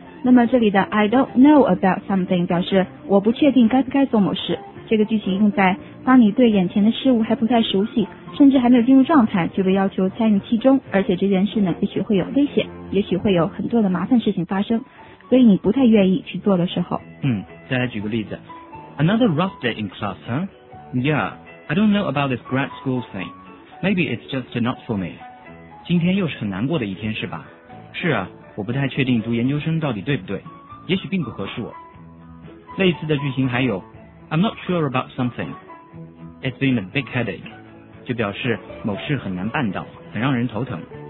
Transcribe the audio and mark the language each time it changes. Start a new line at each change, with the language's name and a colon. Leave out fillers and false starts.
Chinese: 那么这里的
English: I don't know about something
Chinese: 表示我不确定该不该做某事。这个句型用在当你对眼前的事物还不太熟悉，甚至还没有进入状态，就被要求参与其中，而且这件事呢，也许会有危险，也许会有很多的麻烦事情发生，所以你不太愿意去做的时候。嗯，再来举个例子。
English: Another rough day in class, huh? Yeah, I don't know about this grad school thing. Maybe it's just not for me.
Chinese: 今天又是很难过的一天是吧？是啊，我不太确定读研究生到底对不对，也许并不合适我。类似的句型还有
English: I'm not sure about something. It's been a big headache.
Chinese: 就表示某事很难办到，很让人头疼。